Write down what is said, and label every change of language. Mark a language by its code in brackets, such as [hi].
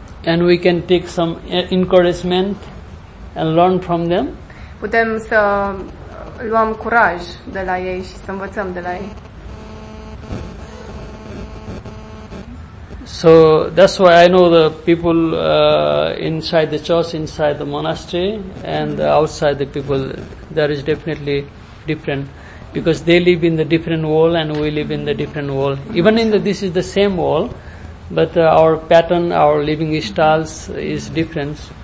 [en] And we can take some encouragement and learn from them. [ro] Putem să luăm curaj de la ei și să învățăm de la ei. [en] So that's why I know the people inside the church, inside the monastery, and outside the people, there is definitely different, because they live in the different world and we live in the different world. Even in the, this is the same world, but our pattern, our living styles is different.